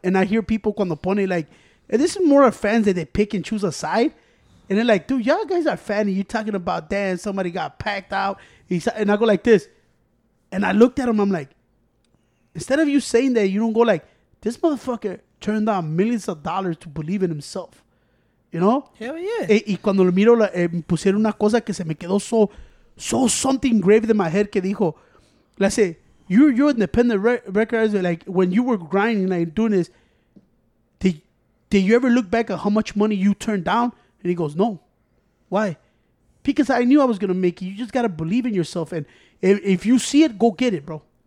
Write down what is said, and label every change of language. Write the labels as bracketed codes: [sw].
[en] And I hear people [es] cuando pone, [en] like, and this is more of fans that they pick and choose a side. And they're like, dude, y'all guys are fans. And you're talking about Dan. Somebody got packed out. And I go like this. And I looked at him. I'm like, instead of you saying that, you don't go like, this motherfucker turned down millions of dollars to believe in himself. You know? Hell yeah. [es] Y cuando lo miro, me pusieron una cosa que se me quedó so... [en] So something graved in my head [es] que dijo, [en] let's say, you're independent recognizer, like, when you were grinding, like, doing this, did you ever look back at how much money you turned down? And he goes, no. Why? Because I knew I was going to make it. You just got to believe in yourself. And if you see it, go get it, bro.